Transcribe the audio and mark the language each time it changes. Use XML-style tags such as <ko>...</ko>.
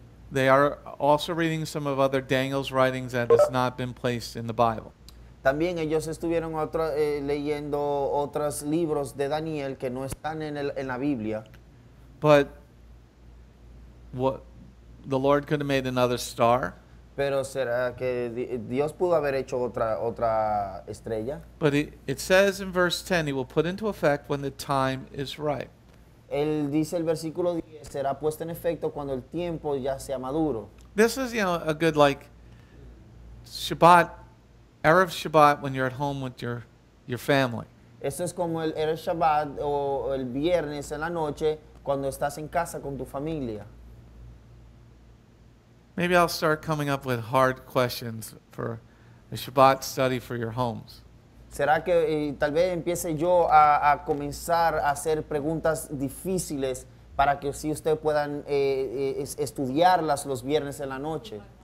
<en>They are also reading some of other Daniel's writings that has not been placed in the Bible.</en> <es>También ellos estuvieron leyendo otros libros de Daniel que no están en la Biblia.</es> <en>But what the Lord could have made another star.</en> <es>Pero será que Dios pudo haber hecho otra estrella?</es> <en>But it says in verse 10, he will put into effect when the time is ripe.</en> <es>Él dice el versículo 10, será puesto en efecto cuando el tiempo ya sea maduro.</es> <en>This is, you know, a good, like, Shabbat, Erev Shabbat, when you're at home with your family.</en> <es>Esto es como el Erev Shabbat o el viernes en la noche cuando estás en casa con tu familia.</es> <en>Maybe I'll start coming up with hard questions for a Shabbat study for your homes.</en> <es>¿Será que tal vez empiece yo a comenzar a hacer preguntas difíciles para que si ustedes puedan estudiarlas los viernes en la noche?</es>